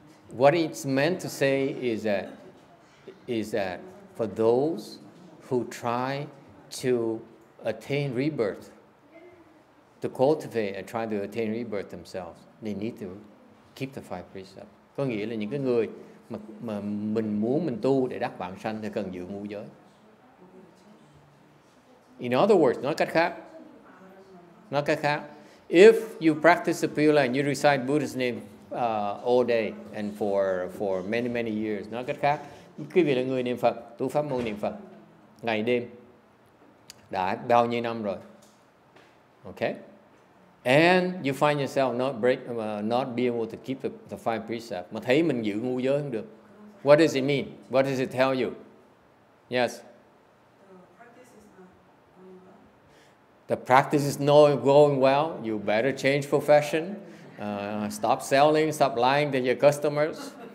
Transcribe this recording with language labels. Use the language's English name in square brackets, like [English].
[English] What it's meant to say is that for those who try to attain rebirth, to cultivate and try to attain rebirth themselves, they need to keep the five precepts. [Vietnamese] Có nghĩa là những cái người mà mình muốn mình tu để đắc vãng sanh thì cần giữ ngũ giới. [English] In other words, [Vietnamese] nói cách khác, [English] if you practice the Pure Land, you recite Buddha's name all day and for many many years. [Vietnamese] Nói cách khác, quý vị là người niệm Phật, tu pháp môn niệm Phật ngày đêm đã bao nhiêu năm rồi. [English] Okay, and you find yourself not being able to keep the five precepts. [Vietnamese] Mà thấy mình giữ ngũ giới không được. [English] What does it mean? What does it tell you? Yes. The practice is not going well. You better change profession. Stop selling. Stop lying to your customers.